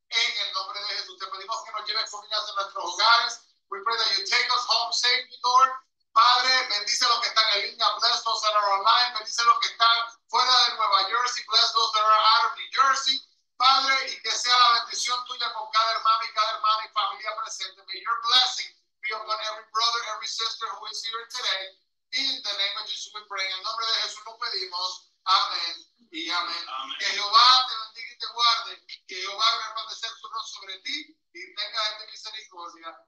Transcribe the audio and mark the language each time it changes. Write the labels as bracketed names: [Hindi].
[Spanish] En el nombre de Jesús, te pedimos que nos lleves comida de nuestros hogares. [English] We pray that you take us home safely, Lord. [Spanish] Padre, bendice a los que están en línea. [English] Bless those that are online. [Spanish] Bendice a los que están fuera de Nueva Jersey. [English] Bless those that are out of New Jersey. [Spanish] Padre, y que sea la bendición tuya con cada hermano y familia presente. [English] May your blessing be upon every brother, every sister who is here today. In the name of Jesus we pray. [Spanish] En el nombre de Jesús lo pedimos. Amén y amén. Que Jehová te bendiga y te guarde. Que Jehová resplandezca su rostro sobre ti y tenga de ti misericordia.